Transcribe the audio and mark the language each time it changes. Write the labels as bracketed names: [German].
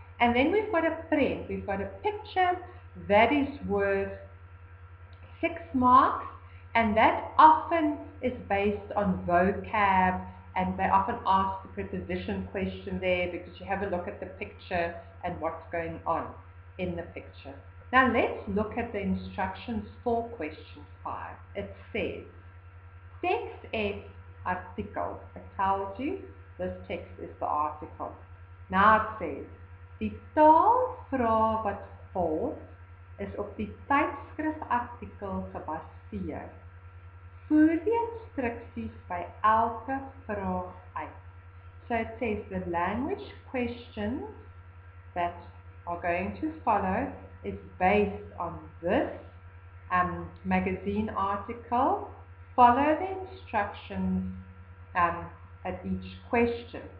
[English] And then we've got a print, we've got a picture that is worth 6 marks, and that often is based on vocab, and they often ask the preposition question there because you have a look at the picture and what's going on in the picture. Now let's look at the instructions for question 5. It says, text is article. It tells you this text is the article. Now it says, [Afrikaans] die taal vra wat volg is op die tydskrifartikel gebaseer. Voer die instructies by elke vraag uit. [English] So it says the language questions that are going to follow is based on this magazine article. Follow the instructions at each question.